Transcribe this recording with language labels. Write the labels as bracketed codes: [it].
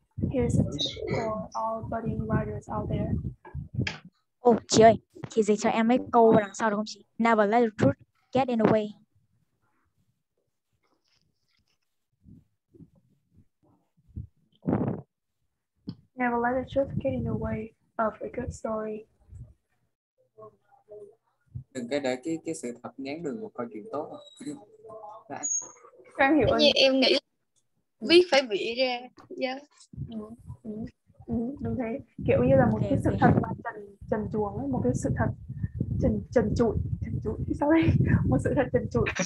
[en] Here's a tip for all budding writers out there. [vi] Oh, chị ơi, chị dịch cho em mấy câu đằng sau được không chị? [en] Never let the truth get in the way. Never let the truth get in the way of a good story. [vi] Đừng để cái sự thật ngán đường một câu chuyện tốt. Trang hiểu như em nghĩ viết phải bị ra. Đúng thế. Kiểu như là một cái sự thật mà trần chuồng ấy, một cái sự thật trần trụi. Sao đây? Một sự thật trần trụi.